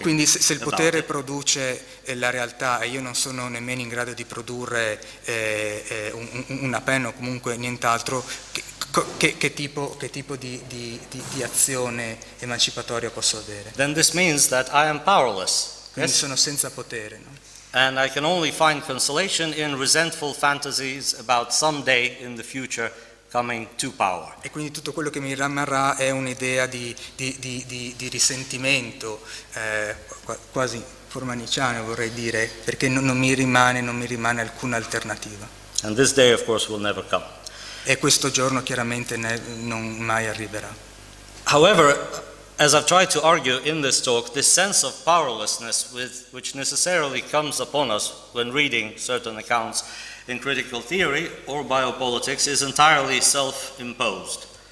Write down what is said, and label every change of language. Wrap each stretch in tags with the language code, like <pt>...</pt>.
<it>Quindi se il potere produce la realtà e io non sono nemmeno in grado di produrre una penna o comunque nient'altro, Che tipo di azione emancipatoria posso avere?</it> <en>Then this means that I am powerless.</en> <it>Quindi sono senza potere, no?</it> <en>And I can only find consolation in resentful fantasies about someday in the future coming to power.</en> <it>E quindi tutto quello che mi rimarrà è un'idea di risentimento, quasi formaniciano, vorrei dire, perché non mi rimane alcuna alternativa.</it> <en>And this day, of course, will never come.</en> <it>E questo giorno chiaramente non mai arriverà.</it> <en>However, As I've tried to argue in this talk, this sense of powerlessness with which necessarily comes upon us when reading certain accounts in critical theory or biopolitics is entirely self-imposed.</en>